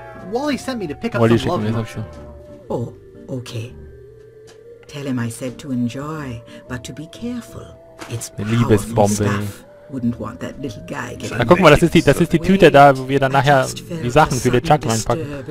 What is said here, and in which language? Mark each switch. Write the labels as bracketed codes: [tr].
[de] Wally schickt mir, das hab ich schon. Oh. Okay. [en] Tell him I said to enjoy, but to be careful. It's [de] Liebesbombe. [en] Wouldn't want that little guy getting. [de] Na, guck mal, das ist die Tüte da, wo wir dann nachher die Sachen für den Chuck reinpacken.